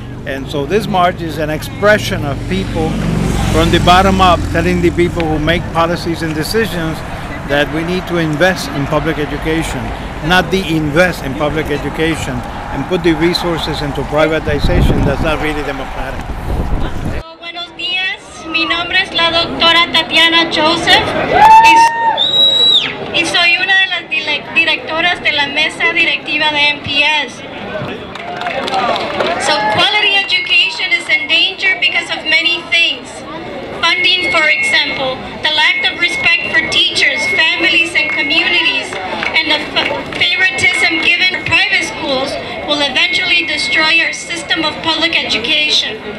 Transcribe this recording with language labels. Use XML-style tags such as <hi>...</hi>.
<en>And so this march is an expression of people from the bottom up telling the people who make policies and decisions that we need to invest in public education, not de-invest in public education and put the resources into privatization. That's not really democratic.</en> <es>Buenos días, mi nombre es la doctora Tatiana Joseph, y soy una de las directoras de la mesa directiva de MPS.</es> <en>So quality education is in danger because of many things. Funding, for example, the lack of respect for teachers, families, and communities, and the favoritism given to private schools will eventually destroy our system of public education.</en>